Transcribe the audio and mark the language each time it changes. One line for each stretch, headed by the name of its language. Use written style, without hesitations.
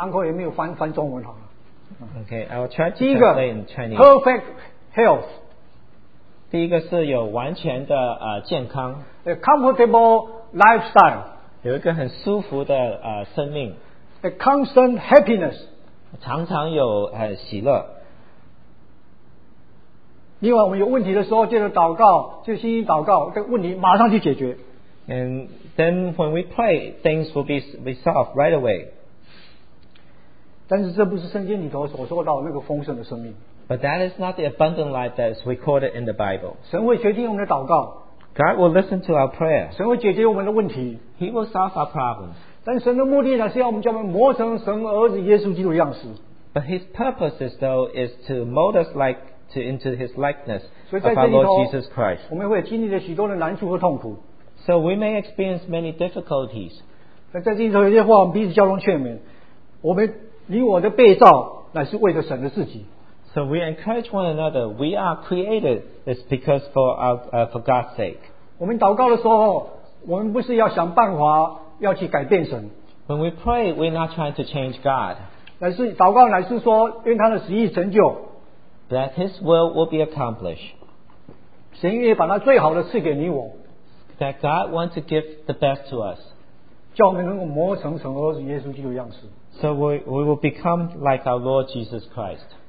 Chinese: 那个也许我用英文讲，Uncle也没有翻中文好了。
English: Okay, I will try to translate in Chinese.
Chinese: 第一个,
English: perfect health.
Chinese: 第一个是有完全的, 健康。
English: A comfortable lifestyle.
Chinese: 有一个很舒服的, 生命。
English: A constant happiness.
Chinese: 常常有, 喜乐。另外我们有问题的时候，借着祷告，就信心祷告，这个问题马上去解决。
English: And then when we pray, things will be resolved right away.
Chinese: 但是这不是圣经里头所说到那个丰盛的生命。
English: But that is not the abundant life that is recorded in the Bible.
Chinese: 神会决定我们的祷告。
English: God will listen to our prayer.
Chinese: 神会解决我们的问题。
English: He will solve our problems.
Chinese: 但神的目的呢，是要我们将我们磨成神儿子耶稣基督的样式。
English: But His purpose is though is to mold us like to into His likeness of our Lord Jesus Christ.
Chinese: 我们会经历了许多的难处和痛苦。
English: So we may experience many difficulties.
Chinese: 在这里头有些话，我们彼此交通劝勉。我们你我的被造乃是为着神的自己。
English: So we encourage one another. We are created. It's because for our for God's sake.
Chinese: 我们祷告的时候，我们不是要想办法要去改变神。
English: When we pray, we're not trying to change God.
Chinese: 乃是祷告，乃是说愿他的旨意成就。
English: That His will be accomplished.
Chinese: 神也把他最好的赐给你我。
English: That God wants to give the best to us.
Chinese: 叫我们能够磨成神儿子耶稣基督的样式。
English: So we will become like our Lord Jesus Christ.